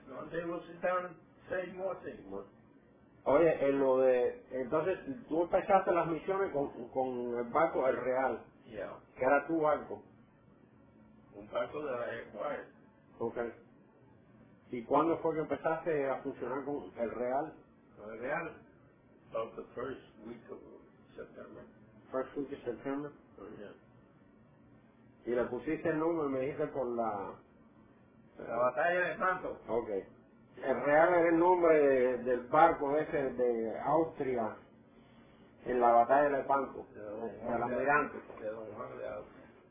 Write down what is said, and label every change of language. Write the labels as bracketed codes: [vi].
[en] They will sit down and say more things. [es] Oye, en lo de, entonces, tú empezaste las misiones con el barco El Real. [en] Yeah. [es] ¿Qué era tu barco? Un barco de la Air [en] Force. Ok. [es] ¿Y cuándo fue que empezaste a funcionar con El Real? [en] El Real, about the first week of September. First week of September? Oh, yeah. [es] ¿Y le pusiste el número y me dijiste por la... La batalla de Santo. [en] Ok. [es] El Real era el nombre del barco ese de Austria en la batalla de Lepanto, del almirante. De Don Juan de Austria.